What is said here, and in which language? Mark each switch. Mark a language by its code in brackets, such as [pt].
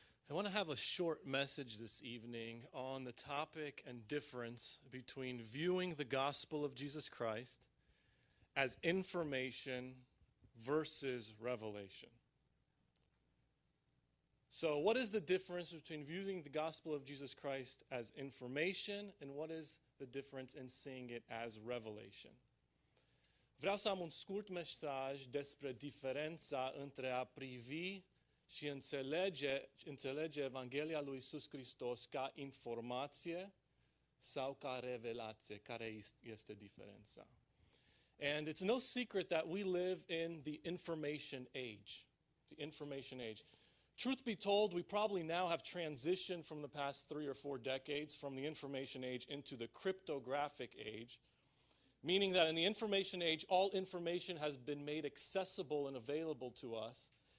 [en] I want to have a short message this evening on the topic and difference between viewing the gospel of Jesus Christ as information versus revelation. So, what is the difference between viewing the gospel of Jesus Christ as information and what is the difference in seeing it as revelation? [ro] Vreau să am un scurt mesaj despre diferența între a privi și înțelege Evanghelia lui Iisus Hristos ca informație sau ca revelație. Care este diferența? [en] And it's no secret that we live in the information age. The information age. Truth be told, we probably now have transitioned from the past 3 or 4 decades from the information age into the cryptographic age, meaning that in the information age, all information has been made accessible and available to us.